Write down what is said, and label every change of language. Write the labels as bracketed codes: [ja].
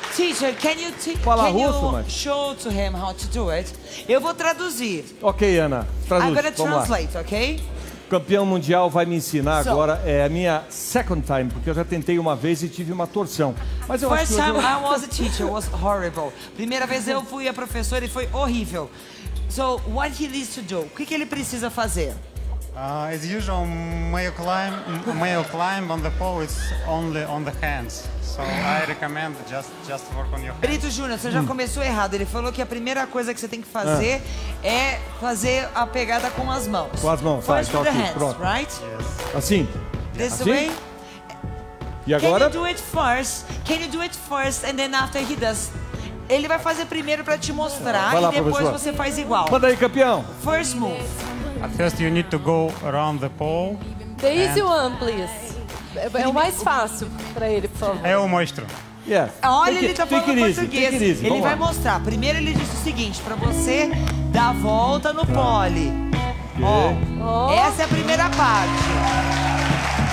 [en] Teacher, can you show to him how to do it? [pt] Eu vou traduzir. Ok, Ana, traduz. [en] I'm gonna translate, ok? [pt] O campeão mundial vai me ensinar agora, é a minha [en] second time, [pt] porque eu já tentei uma vez e tive uma torção. Mas eu [en] first [pt] acho que [en] time I was a teacher, was horrible. [pt] Primeira vez eu fui a professora e foi horrível. [en] So, what he needs to do? [pt] O que ele precisa fazer? [en] As usual, male climb on the pole is only on the hands. So, I recommend just work on your hands. [pt] Brito Júnior, você já começou errado. Ele falou que a primeira coisa que você tem que fazer é fazer a pegada com as mãos. Com as mãos, faz. Toque, pronto. [en] Right? Yes. [pt] Assim. [en] This [pt] assim? [en] Way. [pt] E agora? [en] Can you do it first? Can you do it first and then after he does? [pt] Ele vai fazer primeiro para te mostrar lá, e depois professor. Você faz igual. Manda aí, campeão. [en] First move. At first you need to go around the pole. The easy one, please. [pt] É o mais fácil para ele, por favor. Eu mostro. [en] Yeah. [pt] Olha, ele tá falando português. [en] Easy, [pt] ele vai mostrar. Primeiro ele disse o seguinte, para você dar a volta no pole. [en] Okay. [pt] Oh. Essa é a primeira parte.